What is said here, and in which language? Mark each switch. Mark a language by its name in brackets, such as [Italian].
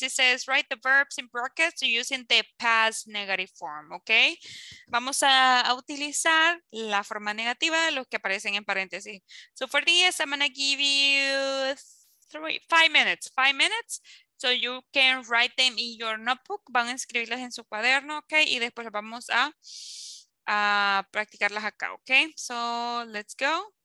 [English] It says write the verbs in brackets using the past negative form. Okay. [Spanish] Vamos a utilizar la forma negativa de los que aparecen en paréntesis. [English] So for this, I'm going to give you 5 minutes. 5 minutes. So you can write them in your notebook. [Spanish] Van a escribirlas en su cuaderno. Okay. Y después vamos a practicarlas acá, okay? [English] So let's go.